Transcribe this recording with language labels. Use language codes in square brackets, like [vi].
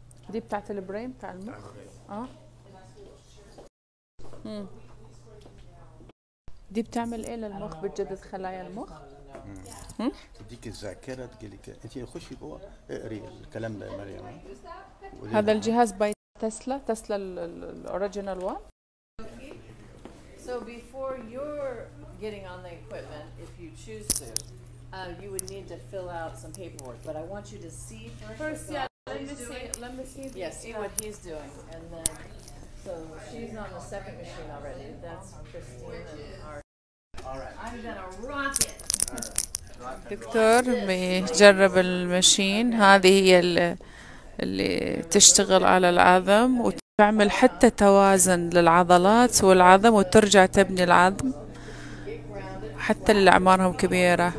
[ar] دي بتاعت البرين، بتاع المخ. دي بتعمل ايه للمخ؟ بتجدد خلايا المخ. ديك الذاكرة تقلك انتي، خشي جوا اقري الكلام ده يا مريم. هذا الجهاز باي [en] Tesla, Tesla original one. So before you're getting on the equipment, if you choose to, you would need to fill out some paperwork. But I want you to see first yeah, let me see. Yes, see what he's doing. And then, so she's on the second machine already. That's Christine and our. All right. I'm gonna rock it. [ar] دكتور بيجرب المشين، هذه هي اللي تشتغل على العظم وتعمل حتى توازن للعضلات والعظم، وترجع تبني العظم حتى اللي أعمارهم كبيرة.